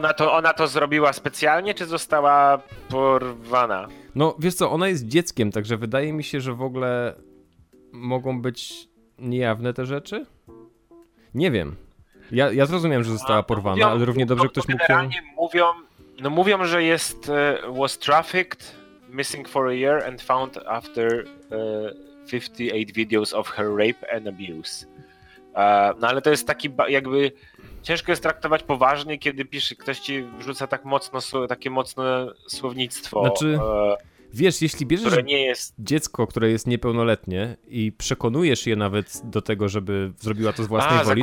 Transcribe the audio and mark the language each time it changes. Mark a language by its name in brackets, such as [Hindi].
[Polish] Ona to zrobiła specjalnie, czy została porwana? No, wiesz co, ona jest dzieckiem, także wydaje mi się, że w ogóle mogą być niejawne te rzeczy? Nie wiem. Ja zrozumiałem, że została porwana, no, mówią, ale równie dobrze ktoś mógł... Mówią, że jest... [English] was trafficked, missing for a year and found after 58 videos of her rape and abuse. [Polish] No ale to jest taki jakby... Ciężko jest traktować poważnie, kiedy pisze, ktoś ci wrzuca tak mocno, takie mocne słownictwo. Znaczy, wiesz, jeśli bierzesz nie jest... dziecko, które jest niepełnoletnie i przekonujesz je nawet do tego, żeby zrobiła to z własnej woli,